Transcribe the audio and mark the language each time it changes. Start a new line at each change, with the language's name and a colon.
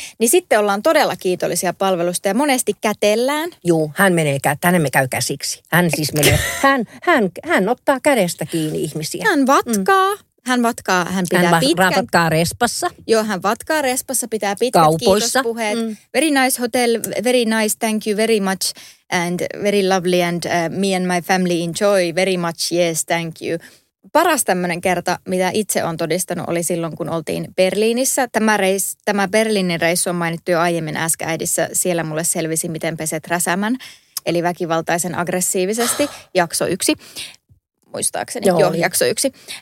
Finnish: Niin sitten ollaan todella kiitollisia palvelusta ja monesti kätellään. Joo, hän menee käsiksi. Hän siis menee, hän ottaa kädestä kiinni ihmisiä. Hän vatkaa. Mm. Hän vatkaa respassa, pitää pitkät kaupoissa. Kiitospuheet. Mm.
English: Very nice hotel, very nice, thank you very much, and very lovely, and me and my family enjoy, very much, yes, thank you.
Finnish: Paras tämmöinen kerta, mitä itse olen todistanut, oli silloin, kun oltiin Berliinissä. Tämä Berliinin reissu on mainittu jo aiemmin äsken äidissä, siellä mulle selvisi, miten peset räsämän, eli väkivaltaisen aggressiivisesti, jakso 1. Muistaakseni. Joo, jakso 1.